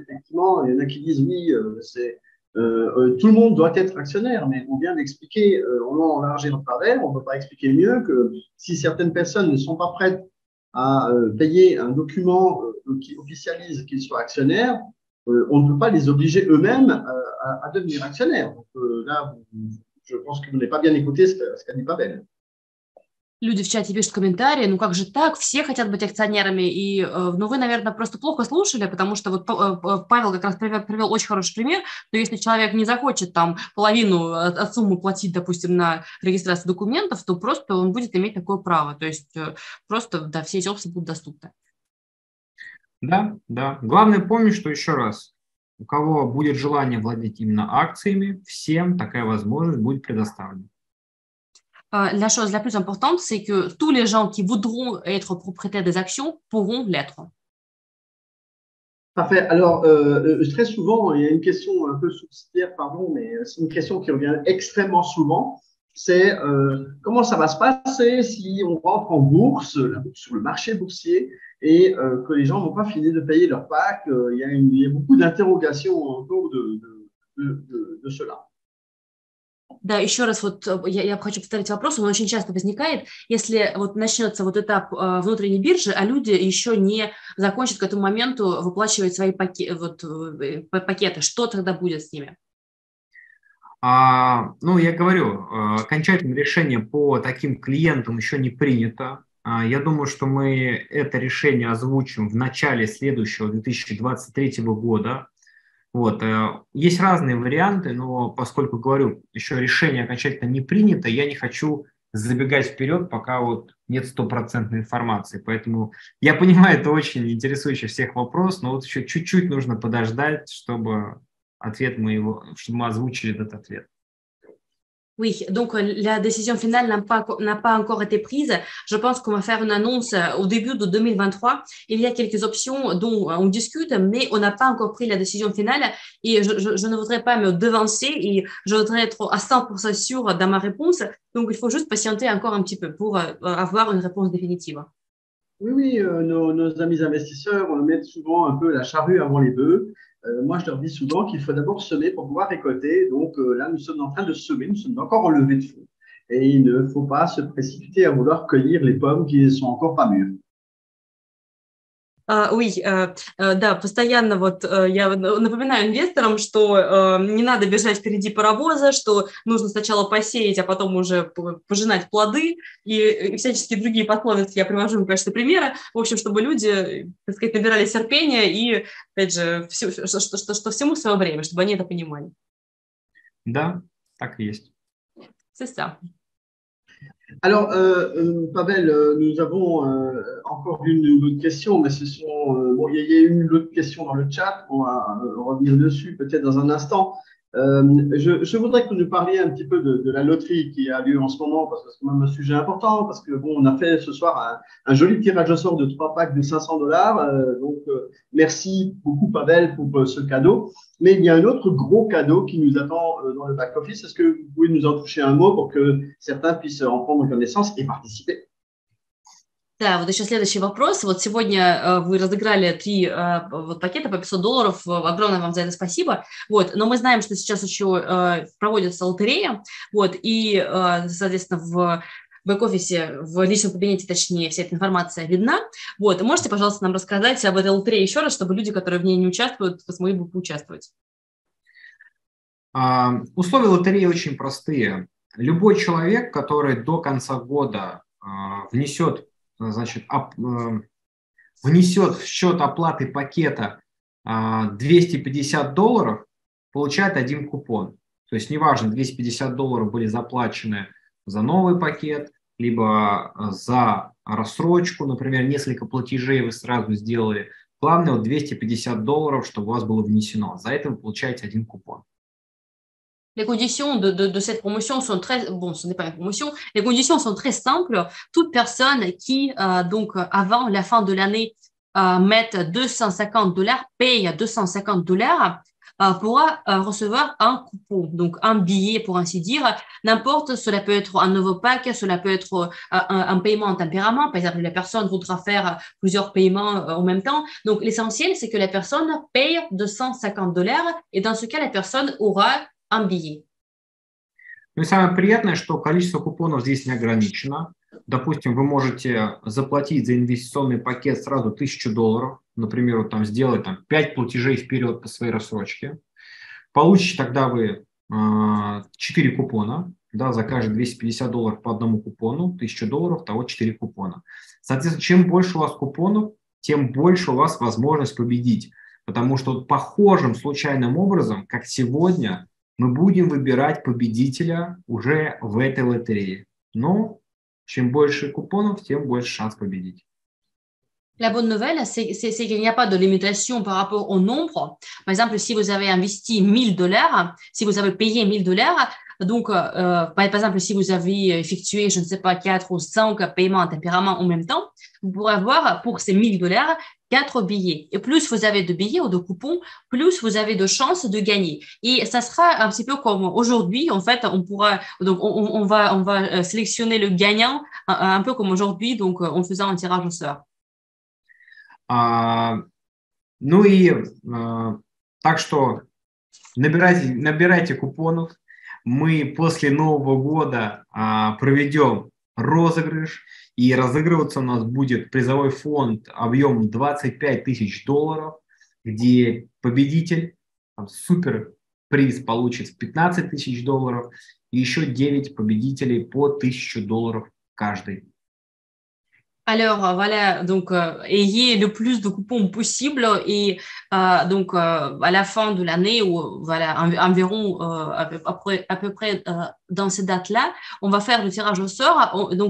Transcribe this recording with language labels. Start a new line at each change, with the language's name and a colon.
French: Effectivement, il y en a qui disent, oui, c'est, tout le monde doit être actionnaire, mais on vient d'expliquer en large et en travers, on ne peut pas expliquer mieux que si certaines personnes ne sont pas prêtes à payer un document qui officialise qu'ils soient actionnaires, on ne peut pas les obliger eux-mêmes à devenir actionnaires. Donc, là, je pense que vous n'avez pas bien écouté ce qu'a dit Pavel.
Russian: Люди в чате пишут комментарии, ну как же так, все хотят быть акционерами, и, ну вы, наверное, просто плохо слушали, потому что вот Павел как раз привел очень хороший пример, что если человек не захочет там половину от суммы платить, допустим, на регистрацию документов, то просто он будет иметь такое право, то есть просто, да, все эти опции будут доступны. Да, да, главное помнить, что еще раз, у кого будет желание владеть именно акциями, всем такая возможность будет предоставлена.
French: La chose la plus importante, c'est que tous les gens qui voudront être propriétaires des actions pourront l'être. Parfait. Alors, très souvent, il y a une question un peu subsidiaire, pardon, mais c'est une question qui revient extrêmement souvent. C'est comment ça va se passer si on rentre en bourse, sur le marché boursier, et que les gens ne vont pas finir de payer leur PAC. Il y a beaucoup d'interrogations autour de cela.
Russian: Да, еще раз вот я хочу повторить вопрос, он очень часто возникает, если вот начнется вот этап внутренней биржи, а люди еще не закончат к этому моменту выплачивать свои пакеты, что тогда будет с ними? Ну, я говорю, окончательное решение по таким клиентам еще не принято. Я думаю, что мы это решение озвучим в начале следующего 2023 года. Вот, есть разные варианты, но поскольку, говорю, еще решение окончательно не принято, я не хочу забегать вперед, пока вот нет стопроцентной информации. Поэтому я понимаю, это очень интересующий всех вопрос, но вот еще чуть-чуть нужно подождать, чтобы ответ мы его, чтобы мы озвучили этот ответ.
French: Oui, donc la décision finale n'a pas encore été prise. Je pense qu'on va faire une annonce au début de 2023. Il y a quelques options dont on discute, mais on n'a pas encore pris la décision finale. Et je ne voudrais pas me devancer et je voudrais être à 100% sûr dans ma réponse. Donc, il faut juste patienter encore un petit peu pour avoir une réponse définitive. Oui, oui, nos amis investisseurs mettent souvent un peu la charrue avant les bœufs. Moi, je leur dis souvent qu'il faut d'abord semer pour pouvoir récolter. Donc là, nous sommes en train de semer, nous sommes encore en levée de fonds. Et il ne faut pas se précipiter à vouloir cueillir les pommes qui ne sont encore pas mûres. Oui,
Russian: да, постоянно вот я напоминаю инвесторам, что не надо бежать впереди паровоза, что нужно сначала посеять, а потом уже пожинать плоды, и всячески другие пословицы я привожу, конечно, примеры, в общем, чтобы люди, так сказать, набирали терпения и, опять же, что всему свое время, чтобы они это понимали. Да, так и есть.
French: C'est ça. Alors, Pavel, nous avons encore une autre question, mais ce sont. Bon, il y a une autre question dans le chat, on va revenir dessus peut-être dans un instant. Je voudrais que vous nous parliez un petit peu de la loterie qui a lieu en ce moment, parce que c'est quand même un sujet important, parce que bon, on a fait ce soir un joli tirage au sort de 3 packs de 500 $. Donc, merci beaucoup, Pavel, pour ce cadeau. Mais il y a un autre gros cadeau qui nous attend dans le back office. Est-ce que vous pouvez nous en toucher un mot pour que certains puissent en prendre connaissance et participer?
Russian: Да, вот еще следующий вопрос. Вот сегодня вы разыграли три вот пакета по $500. Огромное вам за это спасибо. Вот, но мы знаем, что сейчас еще проводится лотерея. Вот, и, соответственно, в бэк-офисе, в личном кабинете, точнее, вся эта информация видна. Вот, можете, пожалуйста, нам рассказать об этой лотерее еще раз, чтобы люди, которые в ней не участвуют, смогли бы поучаствовать? Условия лотереи очень простые. Любой человек, который до конца года внесет в счет оплаты пакета $250, получает один купон. То есть неважно, $250 были заплачены за новый пакет, либо за рассрочку, например, несколько платежей вы сразу сделали. Главное, вот $250, чтобы у вас было внесено. За это вы получаете один купон.
French: Les conditions de cette promotion sont très bon, ce n'est pas une promotion. Les conditions sont très simples. Toute personne qui donc avant la fin de l'année met $250 paye $250 pourra recevoir un coupon, donc un billet pour ainsi dire. N'importe, cela peut être un nouveau pack, cela peut être un paiement en tempérament. Par exemple, la personne voudra faire plusieurs paiements en même temps. Donc l'essentiel, c'est que la personne paye $250 et dans ce cas, la personne aura
Russian: Ну и самое приятное, что количество купонов здесь не ограничено. Допустим, вы можете заплатить за инвестиционный пакет сразу $1000, например, вот там сделать там 5 платежей вперед по своей рассрочке. Получите тогда вы 4 купона, да, за каждый $250 по одному купону, $1000, того 4 купона. Соответственно, чем больше у вас купонов, тем больше у вас возможность победить. Потому что вот, похожим случайным образом, как сегодня, мы будем выбирать победителя уже в этой лотерее. Но чем больше купонов, тем больше шанс победить.
French: La bonne nouvelle, c'est qu'il n'y a pas de limitation par rapport au nombre. Par exemple, si vous avez investi $1000, si vous avez payé $1000, Donc, par exemple, si vous avez effectué, je ne sais pas, 4 ou 5 paiements en tempérament en même temps, vous pourrez avoir pour ces 1000 dollars 4 billets. Et plus vous avez de billets ou de coupons, plus vous avez de chances de gagner. Et ça sera un petit peu comme aujourd'hui, en fait, on pourra, donc on va sélectionner le gagnant un peu comme aujourd'hui, donc en faisant un tirage au sort.
Russian: Ну и так что набирайте купонов. Мы после Нового года проведем розыгрыш, и разыгрываться у нас будет призовой фонд объемом 25 тысяч долларов, где победитель, супер приз получит 15 тысяч долларов, и еще 9 победителей по 1000 долларов каждый.
French: Alors voilà, donc ayez le plus de coupons possible et donc à la fin de l'année ou voilà environ à peu près dans ces dates-là, on va faire le tirage au sort.